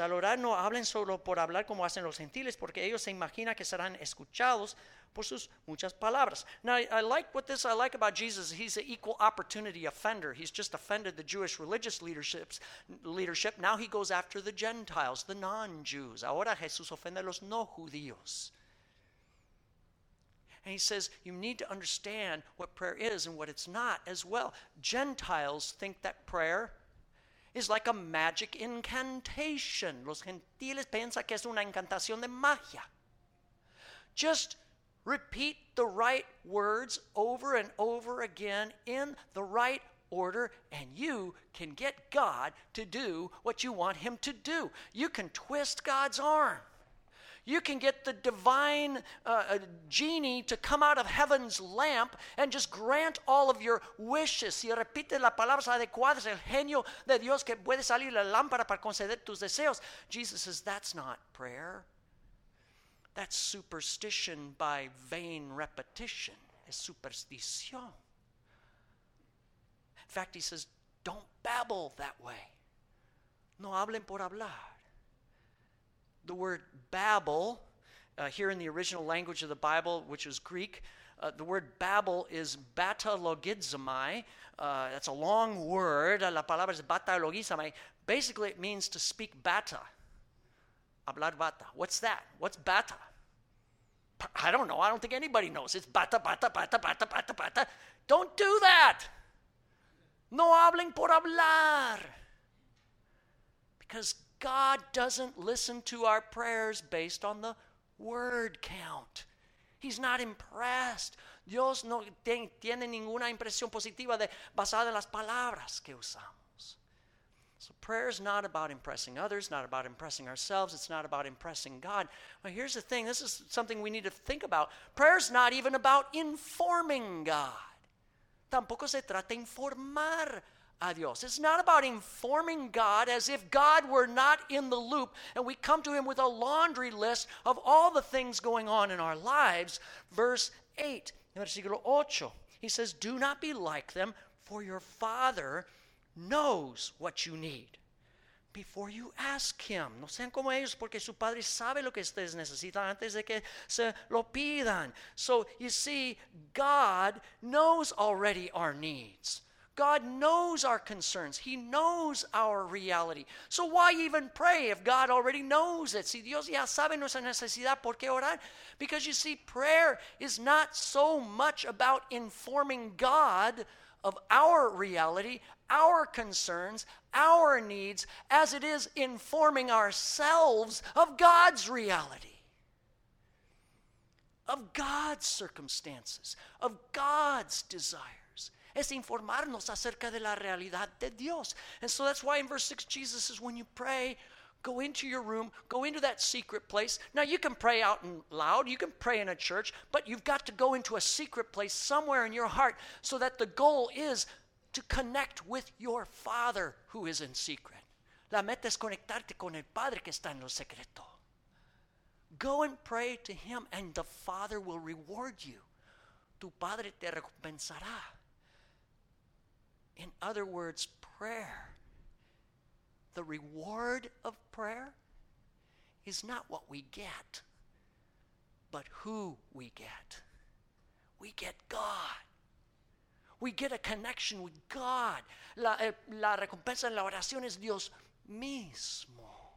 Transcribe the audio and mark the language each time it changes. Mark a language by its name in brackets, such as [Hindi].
[Spanish] Al orar no hablen solo por hablar como hacen los gentiles, porque ellos se imaginan que serán escuchados por sus muchas palabras. [English] Now, I like about Jesus. He's an equal opportunity offender. He's just offended the Jewish religious leadership. Now he goes after the Gentiles, the non-Jews. [Spanish] Ahora Jesús ofende a los no judíos. [English] And he says, you need to understand what prayer is and what it's not as well. Gentiles think that prayer is like a magic incantation. [Spanish] Los gentiles piensan que es una encantación de magia. [English] Just repeat the right words over and over again in the right order, and you can get God to do what you want him to do. You can twist God's arm. You can get the divine genie to come out of heaven's lamp and just grant all of your wishes. [Spanish] Si repites las palabras adecuadas, el genio de Dios que puede salir la lámpara para conceder tus deseos. [English] Jesus says, that's not prayer. That's superstition by vain repetition. [Spanish] Es superstición. [English] In fact, he says, don't babble that way. [Spanish] No hablen por hablar. [English] The word babble, here in the original language of the Bible, which is Greek, the word babble is batalogizomai. That's a long word. [Spanish] La palabra es batalogizomai. [English] Basically, it means to speak bata. [Spanish] Hablar bata. [English] What's that? What's bata? I don't know. I don't think anybody knows. It's bata, bata, bata, bata, bata, bata. Don't do that. [Spanish] No hablen por hablar. [English] Because God doesn't listen to our prayers based on the word count. He's not impressed. [Spanish] Dios no tiene ninguna impresión positiva basada en las palabras que usamos. [English] So prayer is not about impressing others, not about impressing ourselves. It's not about impressing God. But here's the thing. This is something we need to think about. Prayer is not even about informing God. [Spanish] Tampoco se trata de informar Adios. [English] It's not about informing God as if God were not in the loop and we come to him with a laundry list of all the things going on in our lives. Verse 8, versículo 8, he says, do not be like them, for your Father knows what you need before you ask him. [Spanish] No sean como ellos, porque su Padre sabe lo que ustedes necesitan antes de que se lo pidan. [English] So you see, God knows already our needs. God knows our concerns. He knows our reality. So why even pray if God already knows it? [Spanish] Si Dios ya sabe nuestra necesidad, ¿por qué orar? [English] Because you see, prayer is not so much about informing God of our reality, our concerns, our needs, as it is informing ourselves of God's reality, of God's circumstances, of God's desires. [Spanish] Es informarnos acerca de la realidad de Dios. [English] And so that's why in verse 6, Jesus says, when you pray, go into your room, go into that secret place. Now, you can pray out and loud, you can pray in a church, but you've got to go into a secret place somewhere in your heart so that the goal is to connect with your Father who is in secret. [Spanish] La meta es conectarte con el Padre que está en lo secreto. [English] Go and pray to him, and the Father will reward you. [Spanish] Tu Padre te recompensará. [English] In other words, prayer, the reward of prayer is not what we get, but who we get. We get God. We get a connection with God. [Spanish] La recompensa en la oración es Dios mismo.